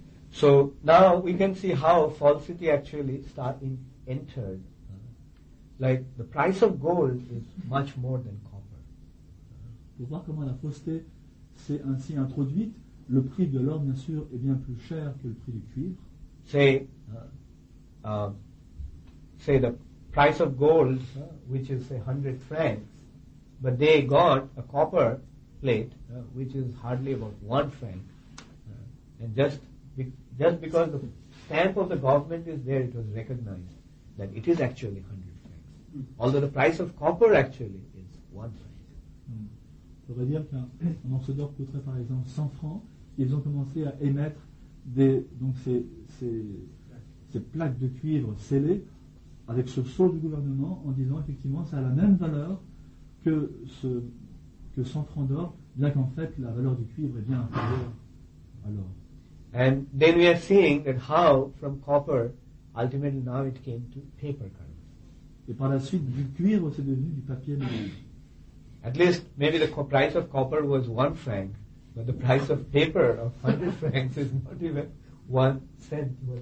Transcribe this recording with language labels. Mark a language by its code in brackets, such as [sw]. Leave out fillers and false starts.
[en] So now we can see how falsity actually entered. Like the price of gold is much more than copper. [fr] Pour voir comment la fausseté s'est ainsi introduite, le prix de l'or bien sûr est bien plus cher que le prix du cuivre. [en] Say the price of gold, which is say 100 francs. But they got a copper plate, which is hardly about 1 franc. And just because the stamp of the government is there, it was recognized that it is actually 100 francs. Although the price of copper actually is 1 franc. [fr] Ça veut dire qu'un morceau d'or coûterait par exemple 100 francs. Ils ont commencé à émettre ces plaques de cuivre scellées avec ce sceau du gouvernement en disant effectivement ça a la même valeur que 100 francs d'or, bien qu'en fait la valeur du cuivre est bien inférieure à l'or. [en] And then we are seeing that how from copper Ultimately, now it came to paper karma. [fr] Et par la suite, du cuivre, c'est devenu du papier noir. [en] At least, maybe the price of copper was 1 franc, but the price of paper of 100 francs is not even 1 cent.